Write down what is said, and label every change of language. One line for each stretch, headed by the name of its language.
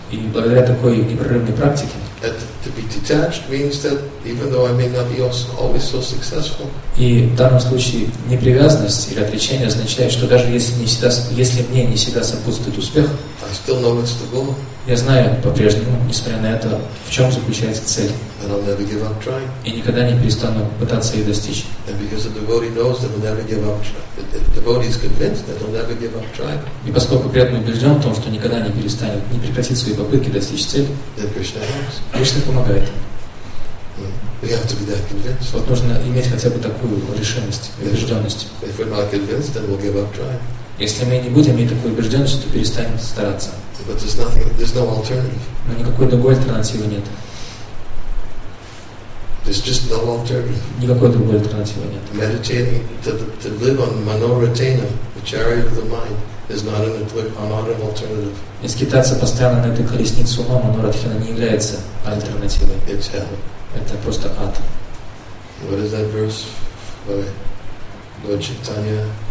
Russian: И благодаря такой непрерывной практике.
English: That to be detached means that even though I may not be always so successful.
Russian: И в данном случае непривязанность или отречение означает, что даже если мне не всегда сопутствует успех,
English: I still know what's the goal.
Russian: Я знаю по-прежнему, несмотря на это, в чем заключается цель.
English: And I'll never give up trying.
Russian: И никогда не перестану пытаться ее достичь.
English: And because the devotee knows that he'll never give up trying. The devotee is convinced that he'll never give up trying.
Russian: И поскольку преданный убежден в том, что никогда не перестанет, не прекратит свои попытки достичь цели,
English: then Krishna helps.
Russian: Кришна помогает.
English: We have to be that convinced.
Russian: Вот нужно иметь хотя бы такую решимость, убежденность.
English: If we're not convinced, then we'll give up trying.
Russian: Если мы не будем иметь такой убежденности, то перестанем стараться.
English: But there's nothing, there's no alternative.
Russian: Но никакой другой альтернативы нет.
English: There's just no alternative.
Russian: Никакой другой альтернативы нет.
English: Meditating, to live on Manoratena, the chariot of the mind, is not an alternative.
Russian: И скитаться постоянно на этой колеснице ума, Манорадхина, не является альтернативой.
English: It's hell.
Russian: Это просто ад.
English: What is that verse by Lord Chaitanya?